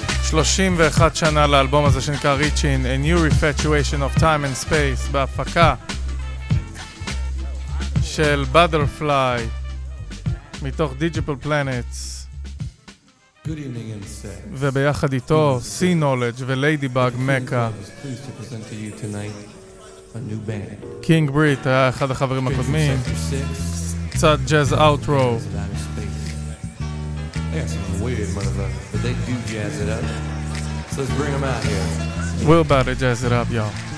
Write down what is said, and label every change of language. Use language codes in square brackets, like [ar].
[he] 31 שנה לאלבום הזה שנקרא Reaching, A New Refatuation of Time and Space, בהפקה של Butterfly מתוך Digital Planets. [en] Good evening, insects. [he] וביחד איתו Sea Knowledge ו-Ladybug Mecca. [en] Please to present to you tonight a new band. [he] King Brit היה אחד החברים הקודמים. קצת Jazz Outro. [en] I got some weird motherfuckers, but they do jazz it up. So let's bring them out here. We're about to jazz it up, y'all.